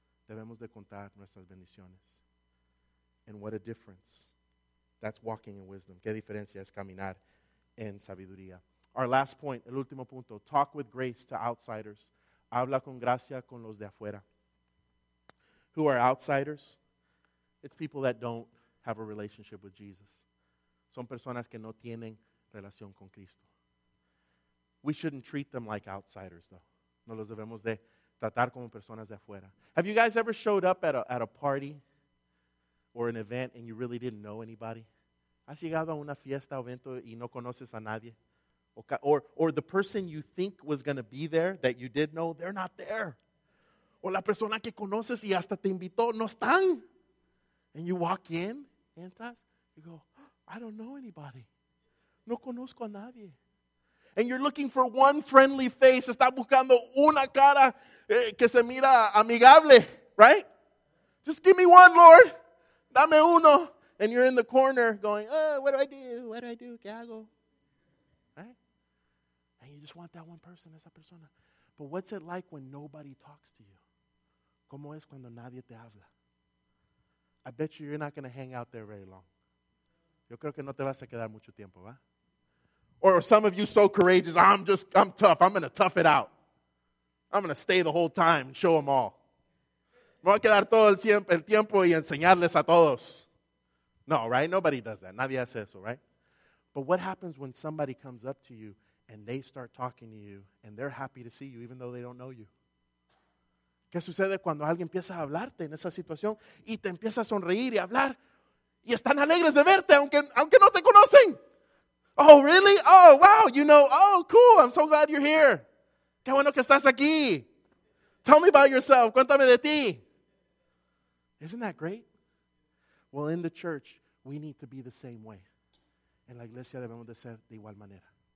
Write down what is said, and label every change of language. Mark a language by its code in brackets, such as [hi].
[es] Debemos de contar nuestras bendiciones. [en] And what a difference. That's walking in wisdom. [es] ¿Qué diferencia es caminar en sabiduría? [en] Our last point, [es] el último punto. [en] Talk with grace to outsiders. [es] Habla con gracia con los de afuera. [en] Who are outsiders? It's people that don't have a relationship with Jesus. [es] Son personas que no tienen relación con Cristo. [en] We shouldn't treat them like outsiders, though. [es] No los debemos de tratar como personas de afuera. [en] Have you guys ever showed up at a party or an event and you really didn't know anybody? [es] ¿Has llegado a una fiesta o evento y no conoces a nadie? [en] Or the person you think was going to be there that you did know, they're not there. [es] O la persona que conoces y hasta te invitó, no están. [en] And you walk in, [es] entras, [en] you go, I don't know anybody. [es] No conozco a nadie. [en] And you're looking for one friendly face. [es] Está buscando una cara que se mira amigable, [en] right? Just give me one, Lord. [es] Dame uno. [en] And you're in the corner going, oh, what do I do? What do I do? [es] ¿Qué hago? [en] You just want that one person, [es] esa persona. [en] But what's it like when nobody talks to you? [es] ¿Cómo es cuando nadie te habla? [en] I bet you're not going to hang out there very long. [es] Yo creo que no te vas a quedar mucho tiempo, ¿va? [en] Or some of you so courageous, I'm tough. I'm going to tough it out. I'm going to stay the whole time and show them all. [es] Me voy a quedar todo el tiempo y enseñarles a todos. [en] No, right? Nobody does that. [es] Nadie hace eso, [en] right? But what happens when somebody comes up to you and they start talking to you, and they're happy to see you, even though they don't know you? [es] ¿Qué sucede cuando alguien empieza a hablarte en esa situación y te empieza a sonreír y hablar y están alegres de verte aunque no te conocen? [en] Oh, really? Oh, wow, you know, oh, cool, I'm so glad you're here. [es] ¿Qué bueno que estás aquí? [en] Tell me about yourself. [es] Cuéntame de ti. [en] Isn't that great? Well, in the church, we need to be the same way. [es] En la iglesia debemos de ser de igual manera.